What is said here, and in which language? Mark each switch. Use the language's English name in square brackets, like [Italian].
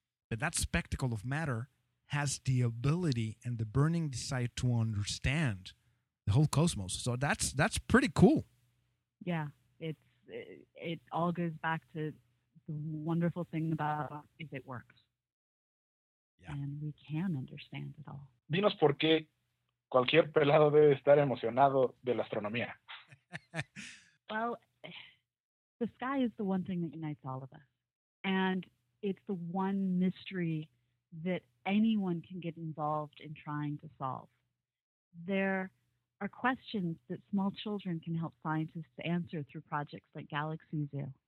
[English] But that spectacle of matter has the ability and the burning desire to understand the whole cosmos. So that's pretty cool. Yeah, it all goes back to the wonderful thing about if it works. Yeah. And we can understand it all. [Spanish] Dinos por qué cualquier pelado debe estar emocionado de la astronomía. [English] Well, the sky is the one thing that unites all of us. And it's the one mystery that anyone can get involved in trying to solve. There are questions that small children can help scientists answer through projects like Galaxy Zoo.